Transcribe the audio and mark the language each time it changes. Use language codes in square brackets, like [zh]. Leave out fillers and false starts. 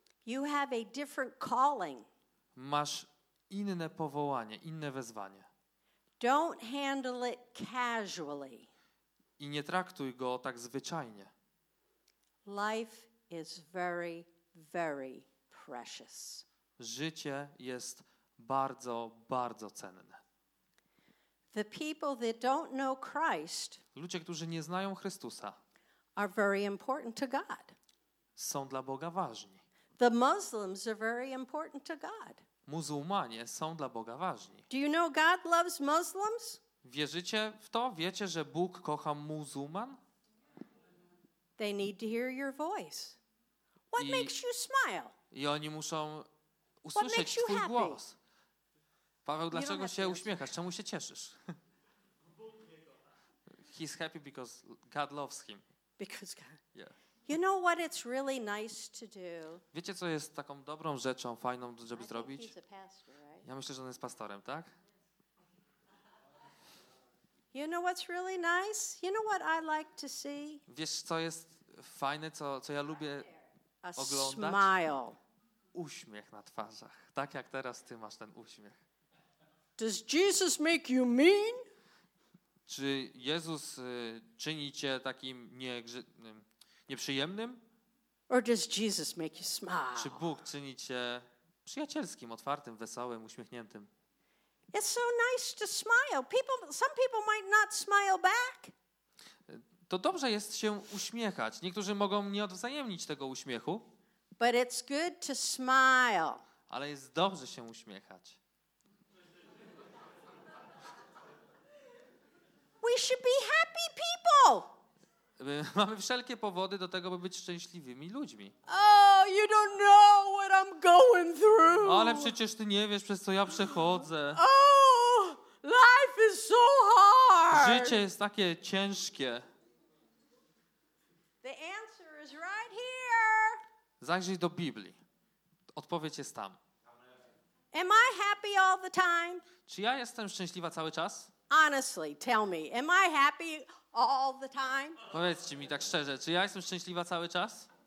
[en] You have a different calling. [pl] Masz inne powołanie, inne wezwanie. [en] Don't handle it casually. [pl] I nie traktuj go tak zwyczajnie. [en] Life is very, very precious. [pl] Życie jest bardzo, bardzo cenne. [en] The people that don't know Christ. [pl] Ludzie, którzy nie znają Chrystusa. [en] Are very important to God. [pl] Są dla Boga ważni. [en] The Muslims are very important to God. [pl] Muzułmanie są dla Boga ważni. [en] Do you know God loves Muslims? [pl] Wierzycie w to? Wiecie, że Bóg kocha muzułman? [en] They need to hear your voice. What makes you smile? [pl] I oni muszą usłyszeć twój głos. Paweł, dlaczego się uśmiechasz? Czemu się cieszysz? [en] He's happy because God loves him. Because God. Yeah. You know what it's really nice to do? [pl] Wiecie, co jest taką dobrą rzeczą, fajną, żeby I zrobić? [en] Think he's a pastor, right? [pl] Ja myślę, że on jest pastorem, tak? [en] You know what's really nice? You know what I like to see? [pl] Wiesz, co jest fajne, co ja lubię a oglądać? [en] Smile. [pl] Uśmiech na twarzach. Tak jak teraz ty masz ten uśmiech. [en] Does Jesus make you mean? [pl] Czy Jezus czyni cię takim nieprzyjemnym? [en] Or does Jesus make you smile? [pl] Czy Bóg czyni cię przyjacielskim, otwartym, wesołym, uśmiechniętym? [en] It's so nice to smile. Some people might not smile back. [pl] To dobrze jest się uśmiechać. Niektórzy mogą nie odwzajemnić tego uśmiechu. [en] But it's good to smile. [pl] Ale jest dobrze się uśmiechać. [en] We should be happy people. [pl] Mamy wszelkie powody do tego, by być szczęśliwymi ludźmi. Oh, [en] you don't know what I'm going through. [pl] Ale przecież ty nie wiesz, przez co ja przechodzę. [en] Oh, life is so hard. [pl] Życie jest takie ciężkie. [en] The answer is right here. [pl] Zajrzyj do Biblii. Odpowiedź jest tam. [en] Am I happy all the time? [pl] Czy ja jestem szczęśliwa cały czas? [en] Honestly, tell me, am I happy all the time? [pl] Powiedzcie mi tak szczerze, czy ja jestem szczęśliwa cały czas?